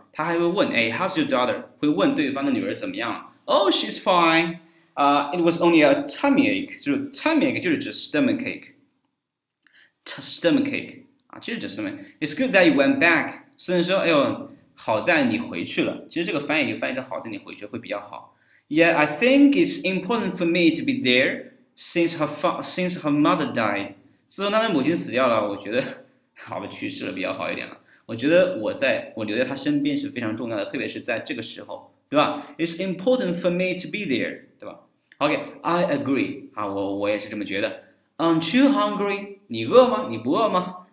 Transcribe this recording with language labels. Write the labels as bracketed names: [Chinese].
[Chinese] 她还会问，哎， [English] how's your daughter？ [Chinese] 会问对方的女儿怎么样了？ [English] Oh，she's fine. It was only a tummy ache. [Chinese] 就是 [English] tummy ache [Chinese] 就是指 [English] stomach ache. Stomach ache [Chinese] 啊，就是指 [English] stomach. It's good that you went back. Susan [Chinese] 说，哎呦。好在你回去了，其实这个翻译就翻译成好在你回去会比较好。 [English] Yeah, I think it's important for me to be there since her mother died. [Chinese] 自从她的母亲死掉了，我觉得好的去世了比较好一点了。我觉得我留在她身边是非常重要的，特别是在这个时候，对吧？ [English] It's important for me to be there, [Chinese] 对吧？ [English] Okay, I agree. [Chinese] 啊，我也是这么觉得。 [English] Aren't you hungry? [Chinese] 你饿吗？你不饿吗？